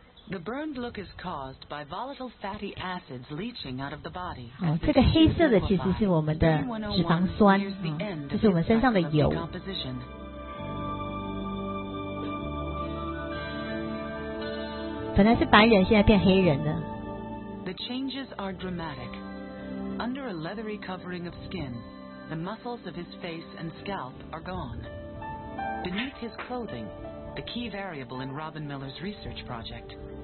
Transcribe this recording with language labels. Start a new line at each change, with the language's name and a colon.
English: The burned look is caused by volatile fatty acids leaching out of the body.
Chinese: 这个黑色的其实是我们的脂肪酸，就是我们身上的油。本来是白人，现在变黑人了。
English: The changes are dramatic. Under a leathery covering of skin, the muscles of his face and scalp are gone. Beneath his clothing, the key variable in Robin Miller's research project.